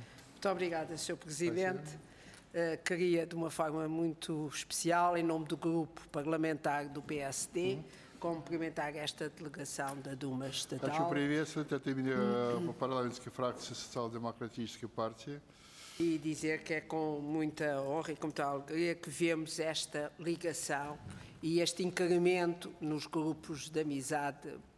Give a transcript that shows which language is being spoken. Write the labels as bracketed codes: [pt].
[pt] Muito obrigada, senhor Presidente. Queria, de uma forma muito especial, em nome do grupo parlamentar do PSD, cumprimentar esta delegação da Duma Estatal. [ru] Хочу приветствовать от имени парламентской фракции Социал-демократической партии. [pt] E dizer que é com muita honra e com muita alegria que vemos esta ligação e este incremento nos grupos de amizade